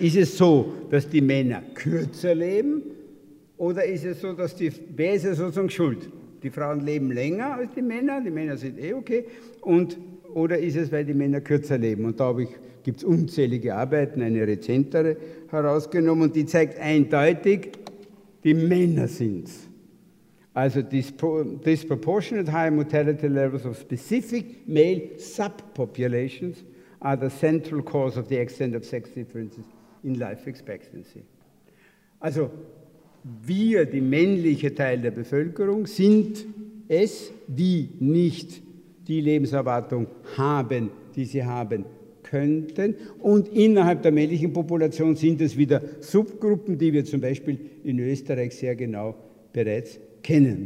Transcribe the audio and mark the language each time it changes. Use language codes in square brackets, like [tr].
[de] Ist es so, dass die Männer kürzer leben oder ist es so, dass die, wer ist ja sozusagen schuld? Die Frauen leben länger als die Männer sind eh okay und oder ist es, weil die Männer kürzer leben? Und da gibt es unzählige Arbeiten, eine rezentere herausgenommen, und die zeigt eindeutig, die Männer sind es. [en] Also disproportionate high mortality levels of specific male subpopulations are the central cause of the extent of sex differences in life expectancy. [de] Also wir, die männliche Teil der Bevölkerung, sind es, die nicht die Lebenserwartung haben, die sie haben könnten. Und innerhalb der männlichen Population sind es wieder Subgruppen, die wir zum Beispiel in Österreich sehr genau bereits kennen.